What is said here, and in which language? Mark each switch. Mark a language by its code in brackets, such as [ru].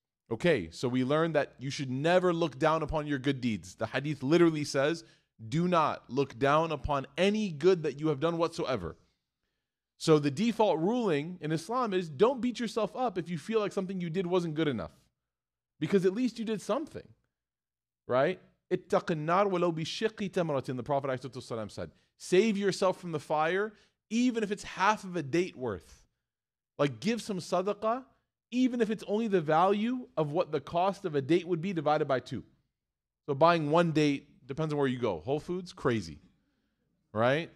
[en] Okay, so we learn that you should never look down upon your good deeds. The hadith literally says, do not look down upon any good that you have done whatsoever. So the default ruling in Islam is don't beat yourself up if you feel like something you did wasn't good enough. Because at least you did something, right? [ar] اتَّقِ النَّارُ وَلَوْ بِشِقِّ تَمْرَةٍ, [en] the Prophet ﷺ said. Save yourself from the fire, even if it's half of a date worth. Like, give some sadaqah, even if it's only the value of what the cost of a date would be divided by two. So buying one date, depends on where you go. Whole Foods, crazy, right?